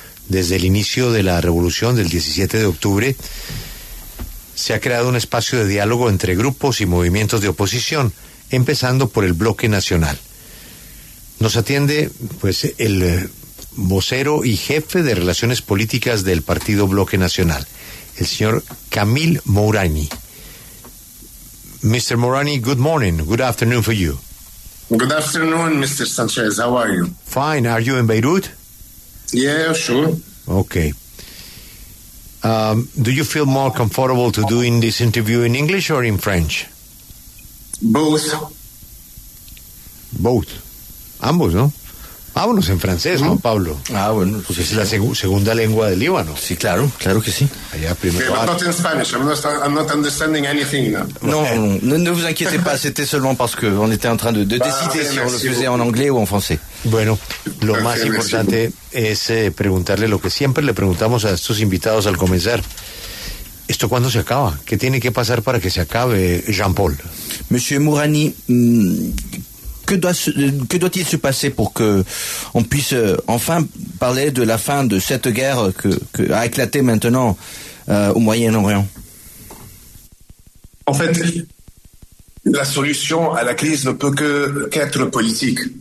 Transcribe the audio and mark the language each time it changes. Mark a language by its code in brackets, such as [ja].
[es] Desde el inicio de la revolución del 17 de octubre se ha creado un espacio de diálogo entre grupos y movimientos de oposición, empezando por el Bloque Nacional. Nos atiende pues el vocero y jefe de relaciones políticas del Partido Bloque Nacional, el señor Camille Mourani. [en] Mr. Mourani, good morning, good afternoon for you. Good afternoon, Mr. Sanchez, how are you? Fine, are you in Beirut? Yeah, sure. Okay. Do you feel more comfortable to doing this interview in English or in French? Both. Both. [es] Ambos, ¿no? Vámonos en francés, ¿no, Pablo? Ah, bueno. Pues es la segunda lengua del Líbano. Sí, claro, claro que sí. Allá primero. [en] Okay, but not in Spanish. I'm not understanding anything now. [fr] No, ne vous inquiétez pas. C'était seulement parce que on était en train de décider si on le faisait en anglais ou en français. [es] Bueno, lo más importante es preguntarle lo que siempre le preguntamos a estos invitados al comenzar. ¿Esto cuándo se acaba? ¿Qué tiene que pasar para que se acabe, Jean-Paul? [fr] Monsieur Mourani, Que doit-il se passer pour que on puisse enfin parler de la fin de cette guerre que a éclaté maintenant au Moyen-Orient? En fait, la solution à la crise ne peut qu'être politique.